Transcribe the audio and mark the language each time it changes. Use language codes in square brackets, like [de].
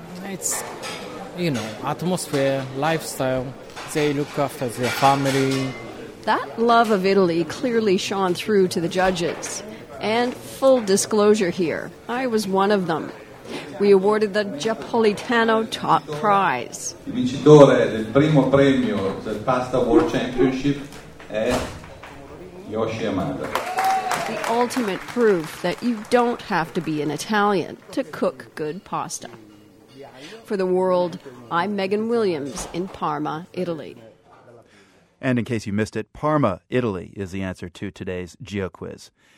[en] It's, you know, atmosphere, lifestyle. They look after their family. That love of Italy clearly shone through to the judges. And full disclosure here, I was one of them. We awarded the Giappolitano top prize. [it] Il vincitore del primo premio del Pasta World Championship è Yoshi Yamada. [en] The ultimate proof that you don't have to be an Italian to cook good pasta. For The World, I'm Megan Williams in Parma, Italy. And in case you missed it, Parma, Italy is the answer to today's GeoQuiz.